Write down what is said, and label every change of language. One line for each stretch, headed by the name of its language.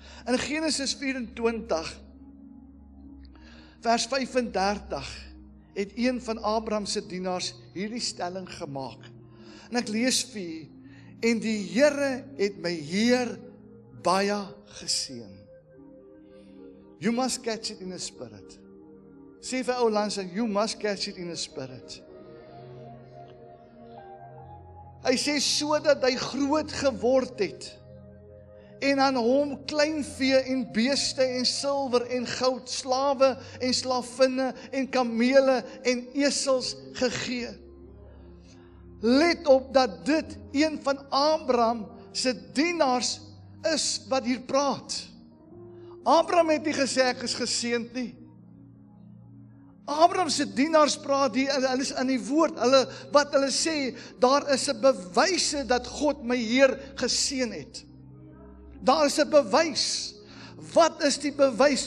Afrikaans: In Genesis 24 vers 35 het een van Abraham se dienaars hierdie stelling gemaak. En ek lees vir u: En die Here het my heer baie geseën.
English: You must catch it in the spirit.
Afrikaans: Sê vir ou Lance,
English: you must catch it in the spirit.
Afrikaans: Hy sê sodat hy groot geword het en aan hom klein vee en beeste en silwer en goud, slawe en slavinne en kamele en esels gegee. Let op dat dit een van Abraham se dienaars is wat hier praat. Abraham het nie gesê ek is geseend nie. Abraham se dienaars praat hier, hulle is in die woord, hulle, wat hulle sê, daar is 'n bewys dat God my Heer geseën het. Daar is 'n bewys. Wat is die bewys?